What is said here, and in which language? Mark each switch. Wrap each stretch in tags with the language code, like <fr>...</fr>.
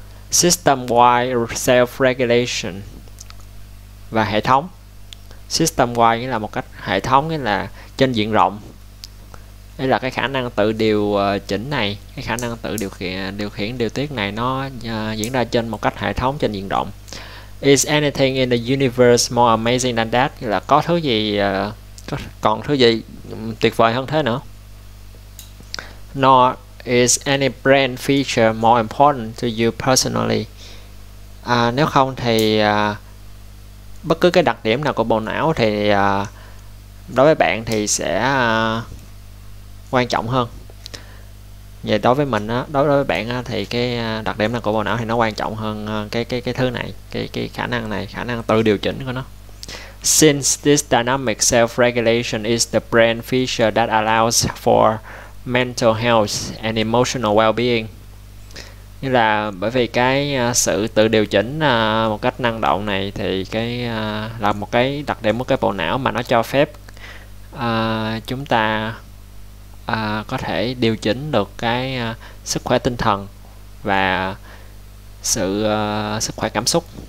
<en>System-wide self-regulation,</en> <vi>và hệ thống. System-wide nghĩa là một cách hệ thống, nghĩa là trên diện rộng. Đây là cái khả năng tự điều chỉnh này, cái khả năng tự điều khiển điều tiết này, nó diễn ra trên một cách hệ thống trên diện rộng.</vi> <en>Is anything in the universe more amazing than that?</en> <vi>Nghĩa là có thứ gì còn thứ gì tuyệt vời hơn thế nữa.</vi> <en>Nor is any brand feature more important to you personally.</en> <vi>Nếu không thì bất cứ cái đặc điểm nào của bộ não thì đối với bạn thì sẽ quan trọng hơn. Vậy đối với mình á, đối với bạn á, thì cái đặc điểm là của bộ não thì nó quan trọng hơn cái thứ này, cái khả năng này, khả năng tự điều chỉnh của nó.</vi> <en>Since this dynamic self-regulation is the brain feature that allows for mental health and emotional well-being.</en> <vi>Như là bởi vì cái sự tự điều chỉnh một cách năng động này thì cái là một cái đặc điểm của cái bộ não mà nó cho phép chúng ta có thể điều chỉnh được cái sức khỏe tinh thần và sự sức khỏe cảm xúc.</vi>